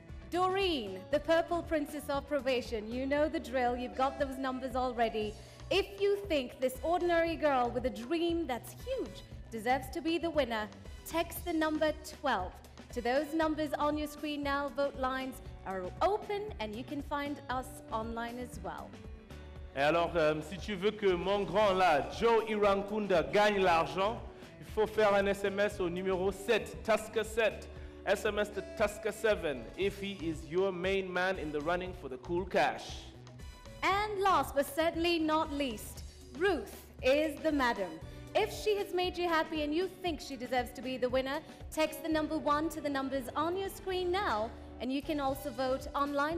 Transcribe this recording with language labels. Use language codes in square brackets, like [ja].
[en] Doreen, the purple princess of probation, you know the drill, you've got those numbers already. If you think this ordinary girl with a dream that's huge deserves to be the winner, text the number 12 to those numbers on your screen now. Vote lines are open and you can find us online as well. [fr] Et alors, si tu veux que mon grand là, Joe Irankunda, gagne l'argent, il faut faire un SMS au numéro 7, Tusker 7. [en] SMS to Tusker 7 if he is your main man in the running for the cool cash. And last but certainly not least, Ruth is the madam. If she has made you happy and you think she deserves to be the winner, text the number 1 to the numbers on your screen now, and you can also vote online.